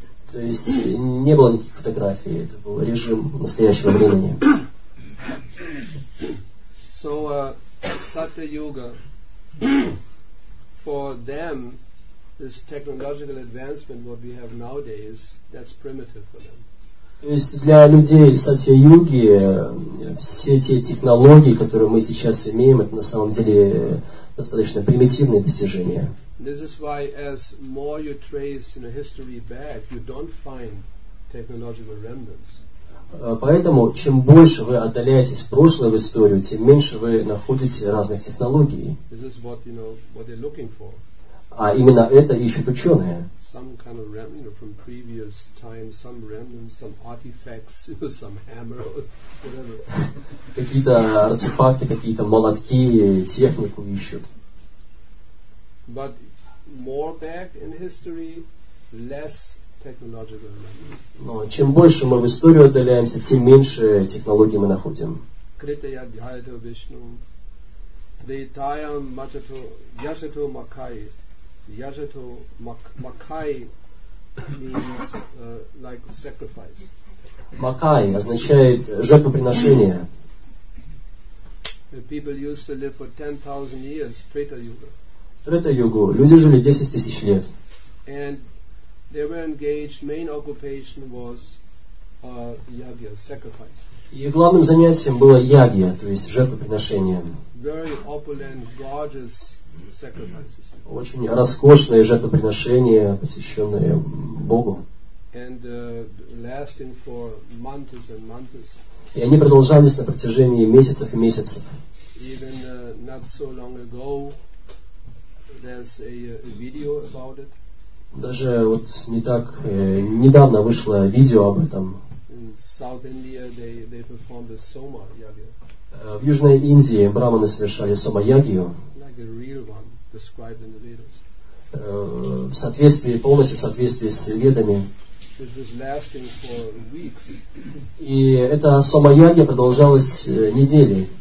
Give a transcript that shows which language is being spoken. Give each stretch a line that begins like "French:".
Russian: То есть не было никаких фотографий, это был режим настоящего времени.
English: So Satya Yoga for them, this technological advancement what we have nowadays, that's primitive for them.
Russian: То есть для людей Сатья Йоги все те технологии, которые мы сейчас имеем, это на самом деле достаточно примитивные достижения.
English: This is why, as more you trace in a history back, you don't find technological remnants.
Russian: Поэтому чем больше вы отдаляетесь в прошлое в историю, тем меньше вы находите разных технологий.
English: This is what you know, what they're looking for.
Russian: А именно это ищут ученые.
English: Some kind of remnant from previous times, some remnants, some artifacts, some hammer, whatever.
Russian: Какие-то артефакты, какие-то молотки, технику ищут.
English: But more back in history, less technological remnants.
Russian: Но чем больше мы в историю отдаляемся, тем меньше технологий мы находим.
Sanskrit: Kritaya Dhyayato Vishnu, Dvaitayam Majato Yajato Makai.
English: Yajato Makai means like sacrifice.
Russian: Makai означает жертвоприношение.
English: The people used to live for 10,000 years, Treta Yuga.
Russian: Трета-югу. Люди жили 10 тысяч лет.
English: And they were engaged. Main occupation was yagya, sacrifice.
Russian: И главным занятием было ягья, то есть жертвоприношение.
English: Very opulent, gorgeous sacrifices.
Russian: Очень роскошные жертвоприношения, посвященные Богу.
English: And lasting for months and months.
Russian: И они продолжались на протяжении месяцев и месяцев.
English: Even not so long ago. There's a video about it.
Russian: Даже вот не так недавно вышло видео об этом.
English: In South India they performed the Soma Yagya.
Russian: В Южной Индии браманы совершали Сома Ягью.
English: Like a real one described in the Vedas.
Russian: В соответствии, полностью в соответствии с Ведами.
English: It was lasting for weeks.
Russian: И эта Сома Ягья продолжалась недели.